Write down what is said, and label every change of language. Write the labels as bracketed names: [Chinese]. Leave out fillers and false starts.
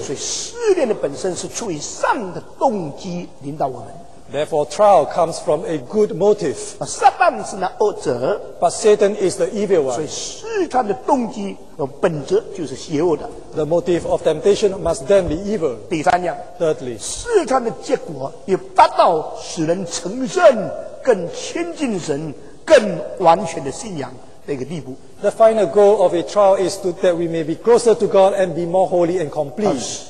[Chinese] 所以试炼的本身是出于善的动机领导我们。 [English] Therefore, trial comes from a good motive. [Chinese] 撒旦是那恶者, [English] but Satan is the evil one. [Chinese] 所以试探的动机本质就是邪恶的。 [English] The motive of temptation must then be evil. [Chinese] 第三样, [English] thirdly, [Chinese] 试探的结果也达到使人承认更亲近神更完全的信仰的一个地步。 [English] The final goal of a trial is that we may be closer to God and be more holy and complete.